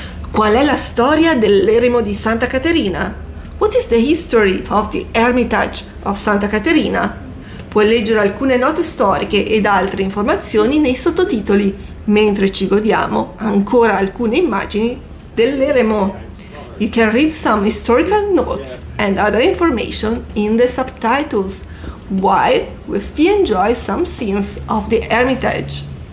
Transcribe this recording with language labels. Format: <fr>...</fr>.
<it>Qual è la storia dell'Eremo di Santa Caterina?</it> <en>What is the history of the Hermitage of Santa Caterina?</en> <it>Puoi leggere alcune note storiche ed altre informazioni nei sottotitoli, mentre ci godiamo ancora alcune immagini dell'Eremo.</it> <en>you can read some historical notes and other information in the subtitles, while we still enjoy some scenes of the Hermitage.</en>